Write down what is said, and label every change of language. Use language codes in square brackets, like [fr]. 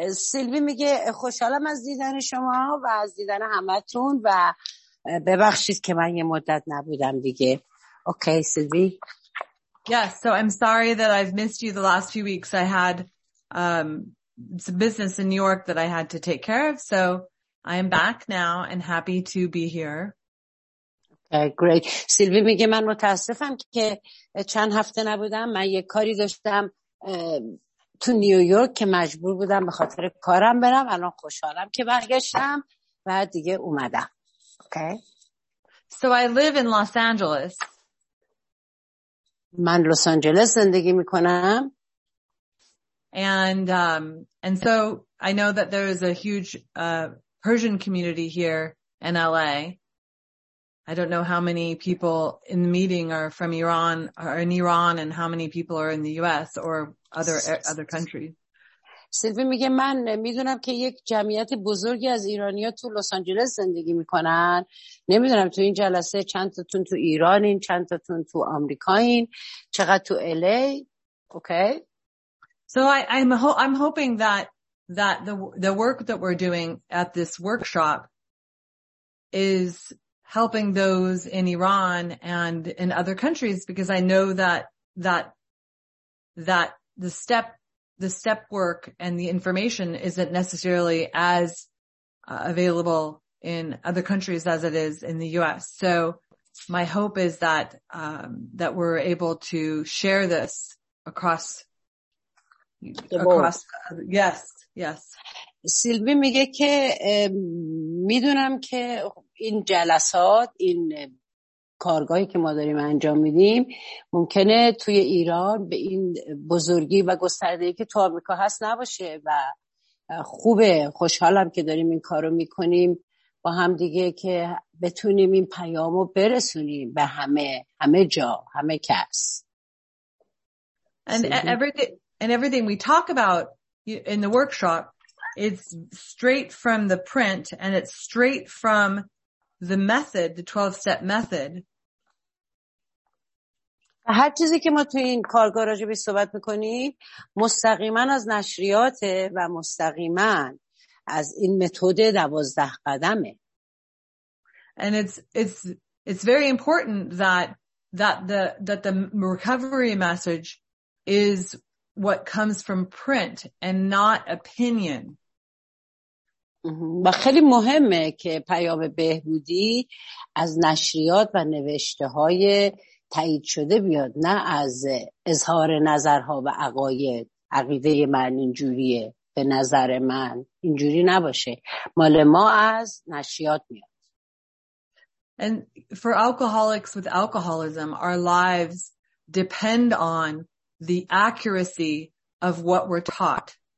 [fa] Sylvie میگه خوشحالم از دیدن شما و از دیدن همتون و ببخشید که من یه مدت نبودم دیگه. [en] Okay, Sylvie. Yes, so I'm sorry that I've missed you the last few weeks. I had some business in New York that I had to take care of, so I am back now and happy to be here. Okay, great. [fa] Sylvie میگه من متاسفم که چند هفته نبودم. من یه کاری داشتم تو نیویورک که مجبور بودم به خاطر کارم برم. الان خوشحالم که برگشتم و دیگه اومدم. [en] Okay. So I live in Los Angeles. [fa] من لس آنجلس زندگی میکنم. [en] And so I know that there is a huge Persian community here in LA. I don't know how many people in the meeting are from Iran or in Iran, and how many people are in the US or other countries. [fa] سیلوی میگه من میدونم که یک جمعیت بزرگی از ایرانی‌ها تو لس آنجلس زندگی میکنن. نمیدونم تو این جلسه چند تاتون تو ایرانین، چند تاتون تو آمریکایین، چقدر تو LA. [en] Okay. So I'm hoping that the work that we're doing at this workshop is helping those in Iran and in other countries, because I know that the step work and the information isn't necessarily as available in other countries as it is in the US. So my hope is that that we're able to share this across the, yes. [fa] سیلوی میگه که میدونم که این جلسات، این کارگاهی که ما داریم انجام میدیم، ممکنه توی ایران به این بزرگی و گستردهی که تو آمریکا هست نباشه، و خوبه، خوشحالم که داریم این کارو میکنیم با هم دیگه که بتونیم این پیامو برسونیم به همه جا، همه کس. [en] And everything we talk about in the workshop, it's straight from the print, and it's straight from the method, the 12-step method. [fa] هر چیزی که ما تو این کارگاه راجع بهش صحبت می‌کنیم مستقیما از نشریات و مستقیما از این متد 12 قدمه. [en] And it's very important that the recovery message is what comes from print and not opinion. [fa] و خیلی مهمه که پیام بهبودی از نشریات و نوشته های تایید شده بیاد، نه از اظهار نظرها و عقاید. عقیده من اینجوریه، به نظر من اینجوری نباشه. مال ما از نشریات میاد. [en] And for alcoholics with alcoholism, our lives depend on the accuracy of what we're taught.